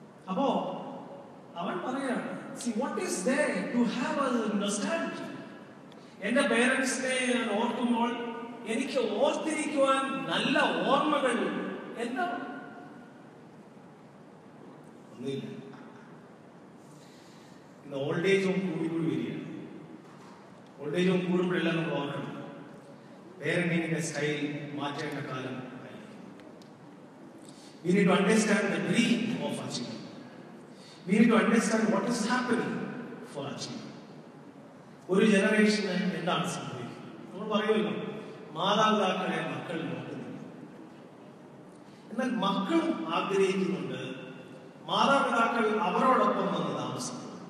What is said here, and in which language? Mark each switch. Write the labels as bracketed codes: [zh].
[ml] അപ്പോ അവൻ പറയാണ്, [en] see what is there to have an understanding. [ml] എന്റെ പേരൻസിനെ ഞാൻ ഓർക്കുമ്പോൾ എനിക്ക് ഓർത്തിരിക്കുവാൻ നല്ല ഓർമ്മകൾ എന്താ? ഒന്നുമില്ല. ഇന്ന് ഓൾഡ് ഏജ് ഹോം കൂടി കൂടി വരികയാണ്. ഓൾഡ് ഏജ് ഹോം കൂടുമ്പോഴല്ല നമ്മൾ ഓർക്കണം, പേരന്റിങ്ങിന്റെ സ്റ്റൈൽ മാറ്റേണ്ട കാലം. [en] We need to understand the dream of achievement. We need to understand what is happening for achievement. [ml] ഒരു ജനറേഷന് എന്താണ് സംഭവിക്കുന്നത്? നമ്മൾ പറയുമല്ലോ, മാതാപിതാക്കളെ മക്കൾ നോക്കുന്നില്ല. എന്നാൽ മക്കളും ആഗ്രഹിക്കുന്നുണ്ട് മാതാപിതാക്കൾ അവരോടൊപ്പം വന്ന് താമസിക്കും.